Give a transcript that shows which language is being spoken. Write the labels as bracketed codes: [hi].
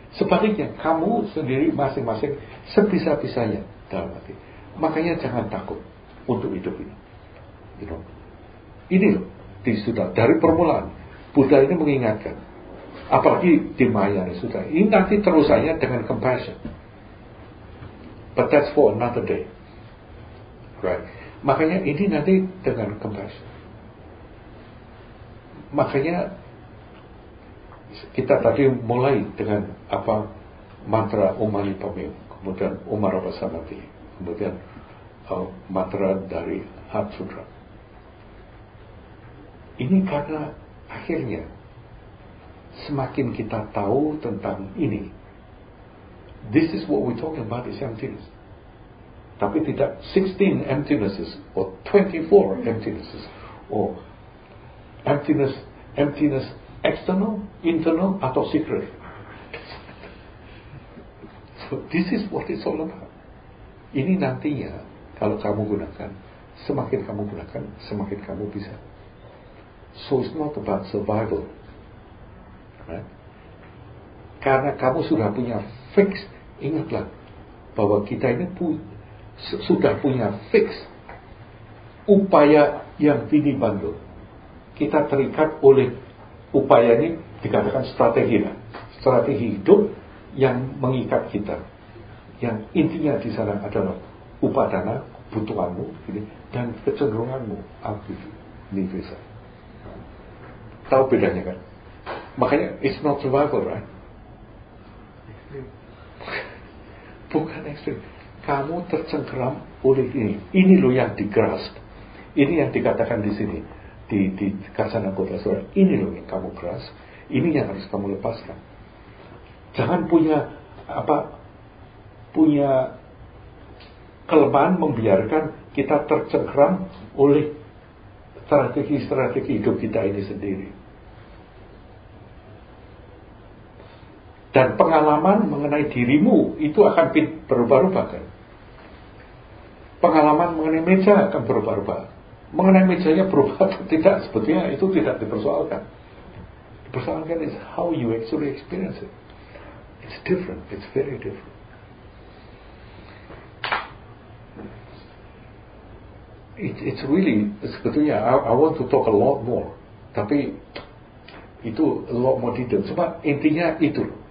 [id] Sebaliknya, kamu sendiri masing-masing sebisa-bisanya dalam hati. Makanya jangan takut untuk hidup ini. [en] You know? [id] Ini loh, di sudah dari permulaan Buddha ini mengingatkan, apalagi di Maya ini sudah. Ini nanti terusannya dengan compassion. [en] But that's for another day, right? [id] Makanya ini nanti dengan compassion. Makanya kita tadi mulai dengan apa mantra Umani Pame, kemudian Umarabhasamati, kemudian mantra dari Heart Sutra. Ini karena akhirnya semakin kita tahu tentang ini, [en] this is what we talking about is emptiness. [id] Tapi tidak [en] 16 emptinesses or 24 emptinesses or emptiness external, internal, [id] atau [en] secret. So this is what it's all about. [id] Ini nantinya kalau kamu gunakan, semakin kamu gunakan, semakin kamu bisa. [en] So it's not about survival, right? [id] Karena kamu sudah punya fix. Ingatlah bahwa kita ini sudah punya fix upaya yang tidak bandel. Kita terikat oleh upaya ini, dikatakan strategi lah. Strategi hidup yang mengikat kita. Yang intinya di sana adalah upadana, kebutuhanmu, ini, dan kecenderunganmu, aktif, nivisa. Tahu bedanya kan? Makanya [en] it's not survival, right? [id] Bukan ekstrim. Kamu tercengkeram oleh ini. Ini loh yang digrasp. Ini yang dikatakan di sini. Di kasana kota surat. Ini loh yang kamu grasp. Ini yang harus kamu lepaskan. Jangan punya apa, punya kelemahan membiarkan kita tercengkeram oleh strategi-strategi hidup kita ini sendiri. Dan pengalaman mengenai dirimu itu akan berubah-ubah kan? Pengalaman mengenai meja akan berubah-ubah. Mengenai mejanya berubah atau tidak, sebetulnya itu tidak dipersoalkan. Dipersoalkan [en] is how you actually experience it. It's different, it's very different. It's really, [id] sebetulnya [en] I want to talk a lot more. [id] Tapi itu [en] a lot more detail. [id] Cuma intinya itu loh.